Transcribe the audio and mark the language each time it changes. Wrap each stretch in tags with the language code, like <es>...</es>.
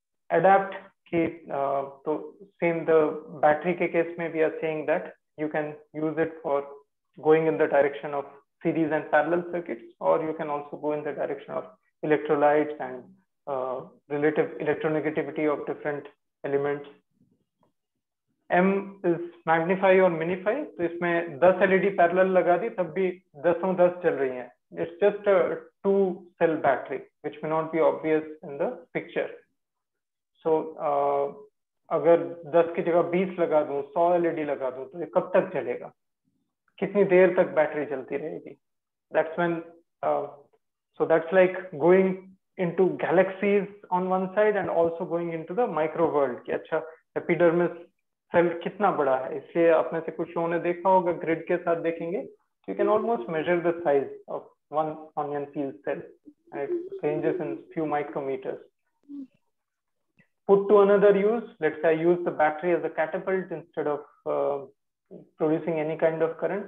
<en>Adapt की तो same the battery के केस में we are saying that you can use it for going in the direction of series and parallel circuits, और you can also go in the direction of electrolytes and relative electronegativity of different elements. M is magnify or minify.</en> <hi>तो इसमें 10 LED parallel लगा दी तब भी 10-10 चल रही हैं.</hi> <en>It's just a two cell battery, which may not be obvious in the picture.</en> <hi>So अगर 10 की जगह 20 लगा दूँ, 100 LED लगा दूँ, तो ये कब तक चलेगा? कितनी देर तक बैटरी चलती रहेगी?</hi> <en>That's when so that's like going into galaxies on one side and also going into the micro world.</en> <hi>कि अच्छा epidermis सेल कितना बड़ा है, इसलिए अपने से कुछ लोगों ने देखा होगा, ग्रिड के साथ देखेंगे,</hi> <en>You can almost measure the size of one onion peel cell, it ranges in few micrometres. Put to another use, let's I use the battery as a catapult instead of producing any kind of current.</en>